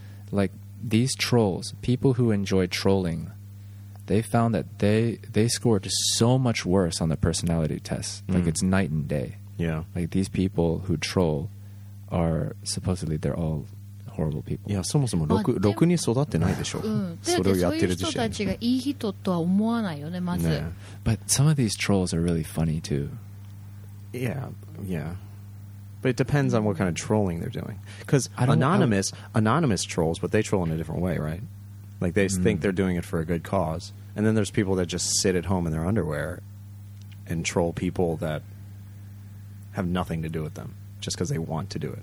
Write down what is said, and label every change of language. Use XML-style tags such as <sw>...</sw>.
<en>Like, these trolls, people who enjoy trolling, they found that they scored so much worse on the personality tests. Mm. Like, it's night and day. Yeah. Like, these people who troll are supposedly, they're all horrible people.</en> <ja>Yeah, そもそもろくに育ってないでしょう。それをやってる自身。そういう人たちがいい人とは思わないよね、まず。</ja> <en>Yeah. But some of these trolls are really funny too. Yeah, yeah. But it depends on what kind of trolling they're doing. Because anonymous trolls, but they troll in a different way, right? Like, they think they're doing it for a good cause. And then there's people that just sit at home in their underwear and troll people that have nothing to do with them just because they want to do it.</en>